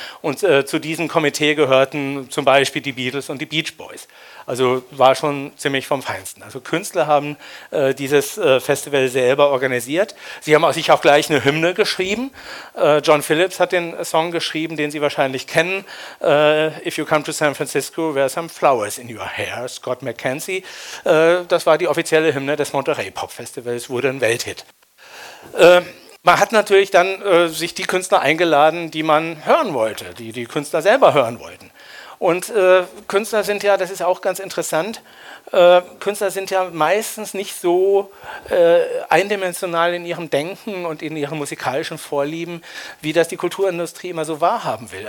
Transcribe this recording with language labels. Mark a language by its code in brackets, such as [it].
[de] Und zu diesem Komitee gehörten zum Beispiel die Beatles und die Beach Boys. Also war schon ziemlich vom Feinsten. Also Künstler haben dieses Festival selber organisiert. Sie haben sich auch gleich eine Hymne geschrieben. John Phillips hat den Song geschrieben, den Sie wahrscheinlich kennen. [en] If you come to San Francisco, wear some flowers in your hair, Scott McKenzie. [de] Das war die offizielle Hymne des Monterey Pop Festivals, wurde ein Welthit. Man hat natürlich dann sich die Künstler eingeladen, die man hören wollte, die die Künstler selber hören wollten. Und Künstler sind ja, das ist auch ganz interessant, Künstler sind ja meistens nicht so eindimensional in ihrem Denken und in ihren musikalischen Vorlieben, wie das die Kulturindustrie immer so wahrhaben will.